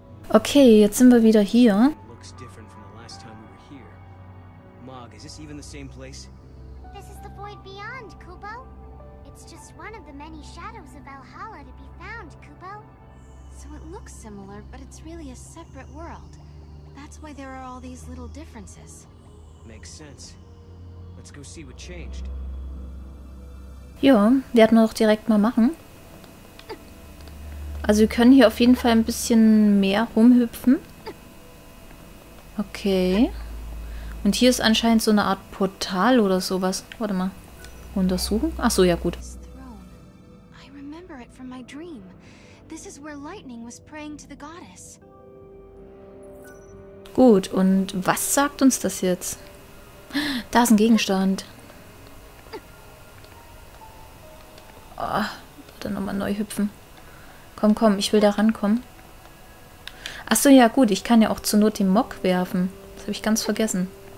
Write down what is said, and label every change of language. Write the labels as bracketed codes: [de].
[de] Okay, jetzt sind wir wieder hier. [en] Looks different from the last time we were here. Mog, is this even the same place? This is the void beyond, Kubo. It's just one of the many shadows of Valhalla to be found, Kubo. So it looks similar, but it's really a separate world. That's why there are all these little differences. Makes sense. Let's go see what changed. [de] Jo, werden wir doch direkt mal machen. Also wir können hier auf jeden Fall ein bisschen mehr rumhüpfen. Okay. Und hier ist anscheinend so eine Art Portal oder sowas. Warte mal. Untersuchen? Ach so, ja gut. [en] I remember it from my dream. This is where Lightning was praying to the goddess. [de] Gut, und was sagt uns das jetzt? Da ist ein Gegenstand. Oh, dann nochmal neu hüpfen. Komm, komm, ich will da rankommen. Achso, ja gut, ich kann ja auch zur Not den Mock werfen. Das habe ich ganz vergessen.